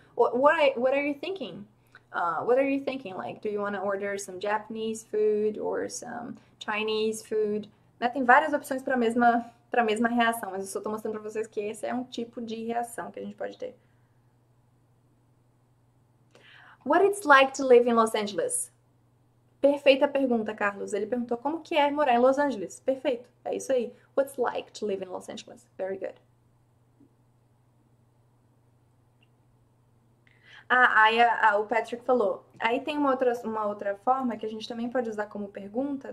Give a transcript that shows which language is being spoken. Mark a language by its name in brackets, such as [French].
[English] What are you thinking? What are you thinking? Like, do you want to order some Japanese food or some Chinese food? [Portuguese] Né? Tem várias opções para a mesma reação, mas eu só estou mostrando para vocês que esse é um tipo de reação que a gente pode ter. [English] What it's like to live in Los Angeles? [Portuguese] Perfeita pergunta, Carlos. Ele perguntou como que é morar em Los Angeles. Perfeito. É isso aí. [English] What's like to live in Los Angeles? Very good. [Portuguese] O Patrick falou. Aí tem uma outra forma que a gente também pode usar como pergunta.